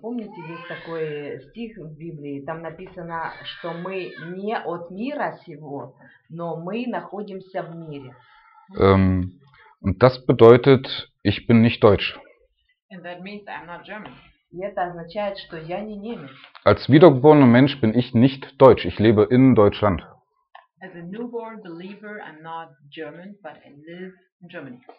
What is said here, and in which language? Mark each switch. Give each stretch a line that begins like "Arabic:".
Russian: Помните, есть такой стих в Библии, там написано, что мы не от мира сего, но мы находимся в мире.
German: Und das bedeutet, ich bin nicht deutsch.
English: And that means I'm not German.
Russian: И это означает, что я не немец.
German: Als wiedergeborener Mensch bin ich nicht deutsch. Ich lebe in Deutschland.
English: As a newborn believer, I'm not German, but I live in Germany.